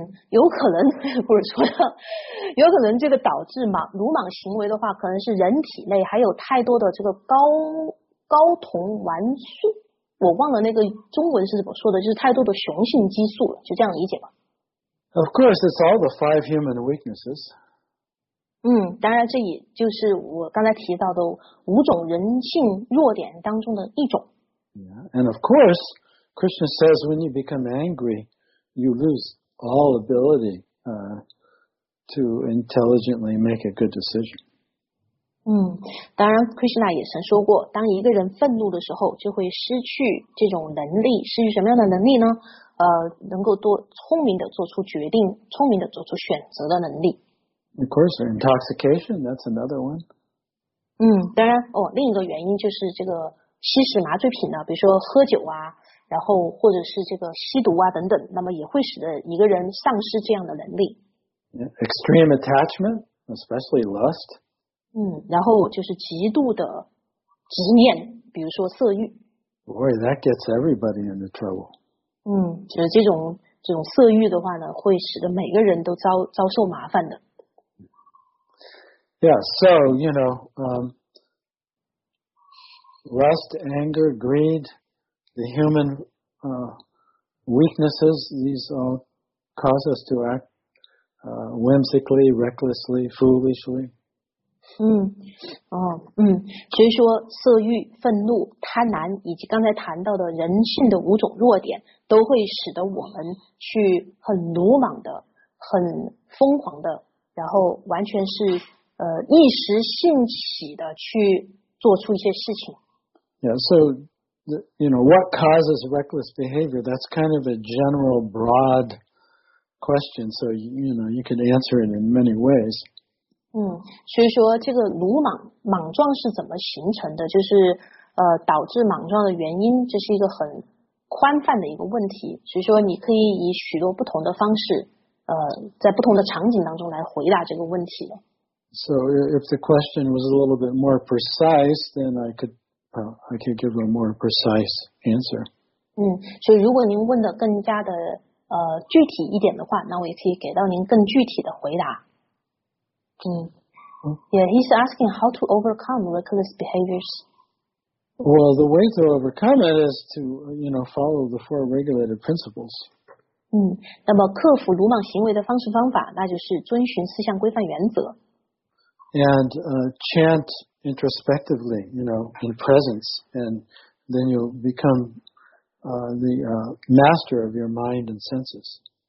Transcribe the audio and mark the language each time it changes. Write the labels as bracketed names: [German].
[Chinese] 有可能，不是说的，有可能这个导致鲁莽行为的话，可能是人体内还有太多的这个睾酮丸素。我忘了那个中文是怎么说的，就是太多的雄性激素了，就这样理解吧。 [English] Of course, it's all the five human weaknesses. [Chinese] 当然这也就是我刚才提到的五种人性弱点当中的一种。 [English] Yeah, and of course, Krishna says when you become angry, you lose all ability, to intelligently make a good decision. [Chinese] 当然 Krishna 也曾说过，当一个人愤怒的时候就会失去这种能力，失去什么样的能力呢？能够多聪明的做出决定，聪明的做出选择的能力。 [English] Of course, intoxication, that's another one. [Chinese] 当然哦，另一个原因就是这个吸食麻醉品呢，比如说喝酒啊，然后或者是这个吸毒啊等等，那么也会使得一个人丧失这样的能力。 [English] Extreme attachment, especially lust. [Chinese] 然后就是极度的执念，比如说色欲。 [English] Boy, that gets everybody into trouble. [Chinese] 就是这种色欲的话呢，会使得每个人都遭受麻烦的。 [English] Yeah, so, you know, lust, anger, greed, the human weaknesses, these all cause us to act whimsically, recklessly, foolishly. [Chinese] 所以说色欲、愤怒、贪婪以及刚才谈到的人性的五种弱点都会使得我们去很鲁莽的、很疯狂的，然后完全是一时兴起的去做出一些事情。 [English] Yeah, so, you know, what causes reckless behavior? That's kind of a general, broad question. So, you know, you can answer it in many ways. [Chinese] 所以说这个鲁莽、莽撞是怎么形成的？就是导致莽撞的原因，这是一个很宽泛的一个问题。所以说你可以以许多不同的方式，在不同的场景当中来回答这个问题的。 [English] So if the question was a little bit more precise, then I could give a more precise answer. [Chinese] 所以如果您问的更加的具体一点的话，那我也可以给到您更具体的回答。 [English] Yeah, he's asking how to overcome reckless behaviors. Well, the way to overcome it is to, you know, follow the four regulated principles. [Chinese] 那么克服鲁莽行为的方式方法，那就是遵循四项规范原则。 [English] And chant introspectively, you know, in presence, and then you'll become master of your mind and senses.